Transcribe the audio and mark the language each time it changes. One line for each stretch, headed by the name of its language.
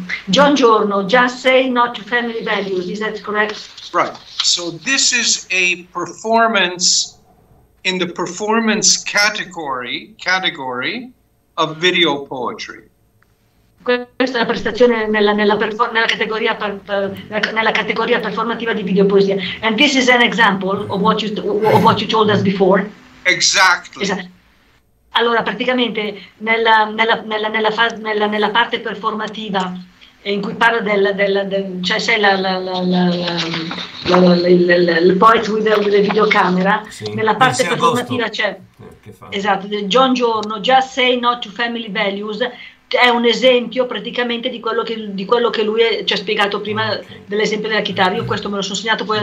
English: John Giorno, just say not to family values, is that correct? Right. So this is a performance in the performance category of video poetry.
Italian: Questa è una prestazione nella categoria performativa di videopoesia.
English: And this is an example of what you told us before. Exactly.
Italian: Allora, praticamente nella parte performativa in cui parla cioè sei il
English: poet with the
Italian: videocamera, sì, nella parte performativa c'è, esatto, John Giorno, just say not to family values, è un esempio praticamente di quello che lui ci ha spiegato prima, dell'esempio della chitarra. Io questo me lo sono segnato poi.